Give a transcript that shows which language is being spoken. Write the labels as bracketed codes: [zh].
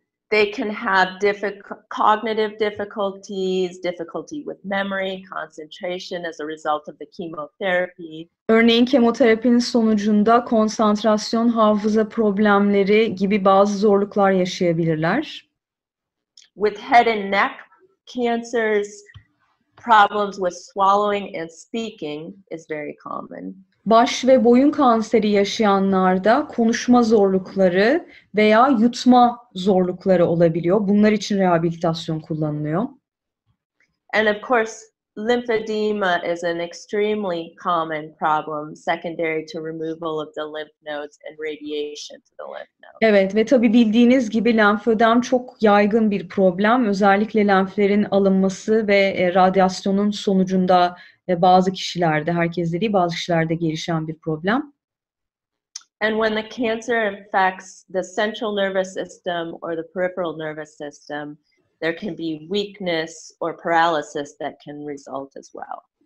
[en] They can have cognitive difficulties, difficulty with memory, concentration as a result of the chemotherapy. [tr] Örneğin kemoterapinin sonucunda konsantrasyon, hafıza problemleri gibi bazı zorluklar yaşayabilirler. [en] With head and neck cancers, problems with swallowing and speaking is very common. [tr] Baş ve boyun kanseri yaşayanlarda konuşma zorlukları veya yutma zorlukları olabiliyor. Bunlar için rehabilitasyon kullanılıyor. [en] And of course, lymphedema is an extremely common problem secondary to removal of the lymph nodes and radiation to the lymph nodes. [tr] Evet ve tabii bildiğiniz gibi lenfödem çok yaygın bir problem. Özellikle lenflerin alınması ve radyasyonun sonucunda bazı kişilerde, herkes dediği bazı kişilerde gelişen bir problem. [en] And when the cancer affects the central nervous system or the peripheral nervous system, there can be weakness or paralysis that can result as well.